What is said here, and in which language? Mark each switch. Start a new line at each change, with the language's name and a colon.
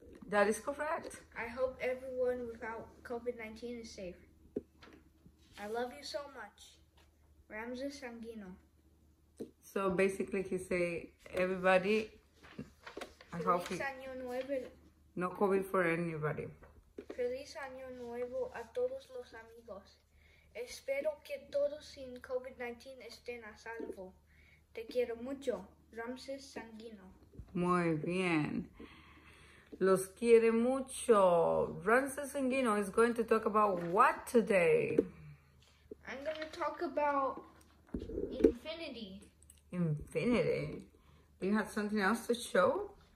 English: That is correct. I hope everyone without COVID-19 is safe. I love you so much. Ramses Sangino. So basically he say everybody, I hope
Spanish: Feliz Año Nuevo.
English: No COVID for anybody.
Spanish: Feliz Año Nuevo a todos los amigos. Espero que todos sin COVID-19 estén a salvo. Te quiero mucho, Ramses Sangino. Muy bien. Los quiere mucho.
English: Ramses Sangino is going to talk about what today? I'm going to talk about infinity. Infinity? Do you have something else to show?